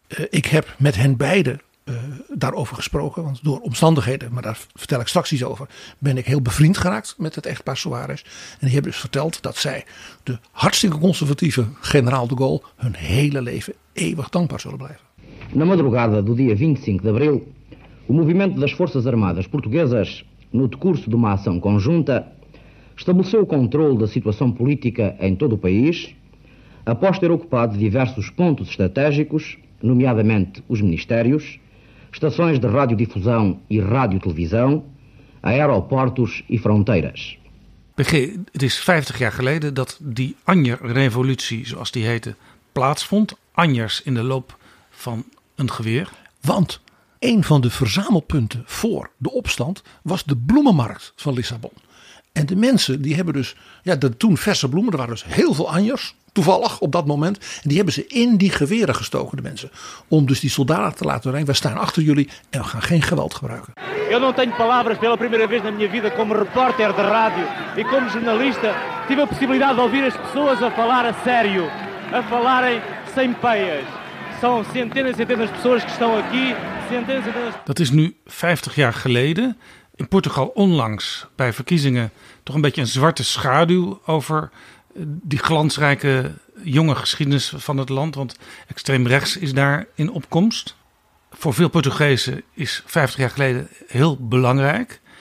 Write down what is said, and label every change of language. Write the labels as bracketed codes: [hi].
[nl] Ik heb met hen beiden daarover gesproken, want door omstandigheden, maar daar vertel ik straks iets over, ben ik heel bevriend geraakt met het echtpaar Soares. En die hebben dus verteld dat zij de hartstikke conservatieve generaal de Gaulle hun hele leven eeuwig dankbaar zullen blijven. [pt] Na madrugada do dia 25 de abril, o movimento das Forças Armadas Portuguesas, no decurso de uma ação conjunta, estabeleceu o controle da situação política em todo o país, após ter ocupado diversos pontos estratégicos, nomeadamente os ministérios, estações de radiodifusão e radiotelevisão, aeroportos e fronteiras. [nl] PG, het is 50 jaar geleden dat die Anjer-revolutie, zoals die heette, plaatsvond. Anjers in de loop van een geweer. Want een van de verzamelpunten voor de opstand was de bloemenmarkt van Lissabon. En de mensen die hebben dus, de toen verse bloemen, er waren dus heel veel Anjers, toevallig op dat moment. En die hebben ze in die geweren gestoken, de mensen. Om dus die soldaten te laten rennen. Wij staan achter jullie en we gaan geen geweld gebruiken. [pt] Eu não tenho palavras pela primeira vez na minha vida como repórter de rádio e como jornalista. Tive a possibilidade de ouvir as pessoas a falar a sério, a falarem sem peias. São centenas e centenas de pessoas que estão aqui. [nl] Dat is nu 50 jaar geleden. In Portugal onlangs bij verkiezingen toch een beetje een zwarte schaduw over die glansrijke jonge geschiedenis van het land. Want extreem rechts is daar in opkomst. Voor veel Portugezen is 50 jaar geleden heel belangrijk.